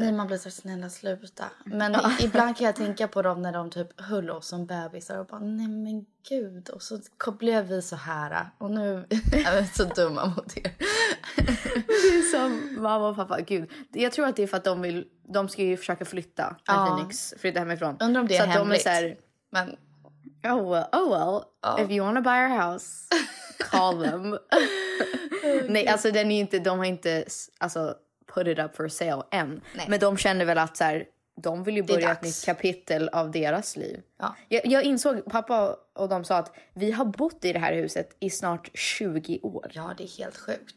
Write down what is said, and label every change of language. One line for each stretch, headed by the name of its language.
Swedish: Nej, man blir så snälla, sluta. Men ibland kan jag tänka på dem när de typ höll oss som bebisar. Och bara, nej men gud. Och så blev vi så här. Och nu är vi så dumma mot er. Det är som mamma och pappa. Gud, jag tror att det är för att de ska ju försöka flytta när Phoenix flyttar hemifrån. Undrar om det är hemligt. Så att de är såhär, men...
English: Oh well. Oh. If you wanna buy our house, call them.
Swedish: Nej, alltså de har inte
English: put it up for sale
Swedish: än. Nej. Men de känner väl att såhär, de vill ju börja ett nytt kapitel av deras liv. Ja. Jag insåg, pappa och de sa att vi har bott i det här huset i snart 20 år. Ja, det är helt sjukt.